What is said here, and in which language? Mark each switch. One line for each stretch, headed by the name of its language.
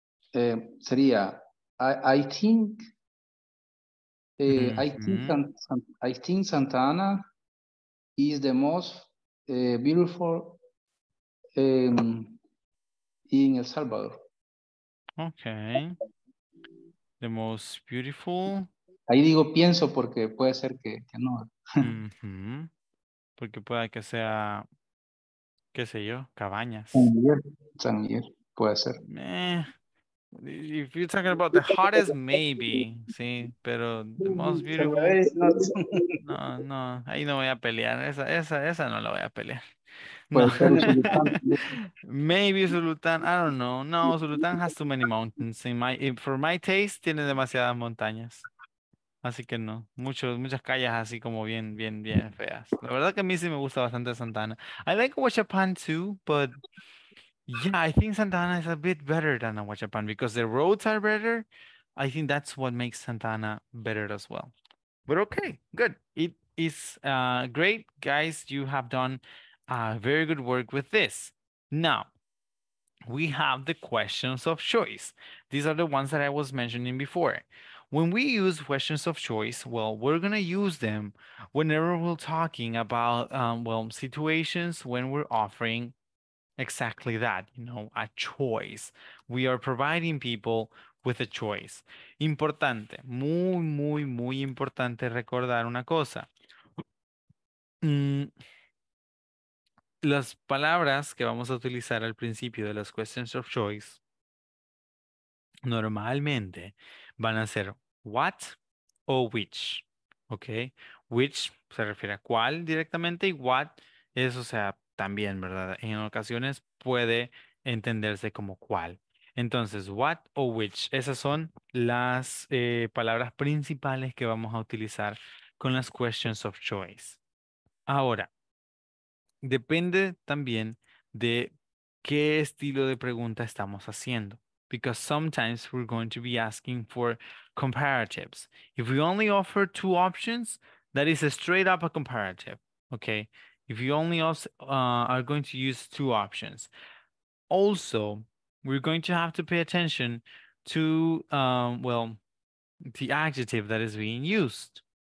Spanish: Sería,
English: I think Santa Ana is the most beautiful in El Salvador. Okay. The most beautiful.
Spanish: Ahí digo pienso porque puede ser que no. Mm-hmm. Porque pueda que sea, qué sé yo, cabañas. San Miguel, puede ser.
English: If you're talking about the hottest, maybe.
Spanish: Sí, pero
English: the most beautiful.
Spanish: No, ahí no voy a pelear. Esa no la voy a pelear. No.
English: Maybe Sultan, I don't know. No, Sultan has too many mountains. For my taste,
Spanish: tiene demasiadas montañas. Así que no. Muchas calles así como bien feas. La verdad que a mí sí me gusta bastante Santa Ana.
English: I like Huachapán too, but yeah, I think Santa Ana is a bit better than Huachapán because the roads are better. I think that's what makes Santa Ana better as well. But okay, good. It is great, guys. You have done very good work with this. Now, we have the questions of choice. These are the ones that I was mentioning before. When we use questions of choice, well, we're going to use them whenever we're talking about, situations when we're offering exactly that, you know, a choice. We are providing people with a choice.
Spanish: Importante, muy, muy, muy importante recordar una cosa. Las palabras que vamos a utilizar al principio de las questions of choice normalmente van a ser what o which, ¿ok? Which se refiere a cuál directamente y what es, o sea, también, ¿verdad? En ocasiones puede entenderse como cuál. Entonces, what o which, esas son las palabras principales que vamos a utilizar con las questions of choice. Ahora, depende también de qué estilo de pregunta estamos haciendo.
English: Because sometimes we're going to be asking for comparatives. If we only offer two options, that is a straight up a comparative. Okay. If you only are going to use two options. Also, we're going to have to pay attention to, the adjective that is being used.